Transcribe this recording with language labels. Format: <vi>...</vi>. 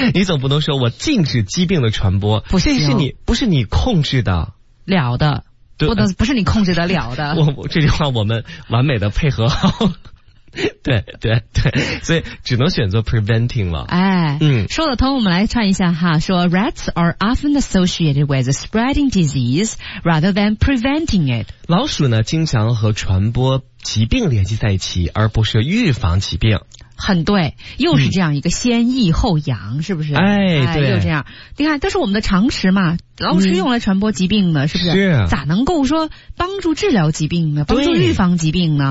<zh>你总不能说我禁止疾病的传播，不行，这是你不是你控制的了的。对，不是你控制得了的。我这句话我们完美的配合好。对对对，所以只能选择 preventing 了。哎，嗯，说得通，我们来串一下哈。</zh> <en>说 rats are often associated with spreading disease rather than preventing it。</en> <zh>老鼠呢，经常和传播疾病联系在一起，而不是预防疾病。很对，又是这样一个先抑后扬，是不是？哎，对，又这样。你看，但是我们的常识嘛，老鼠用来传播疾病呢，是不是？是，咋能够说帮助治疗疾病呢？帮助预防疾病呢？</zh>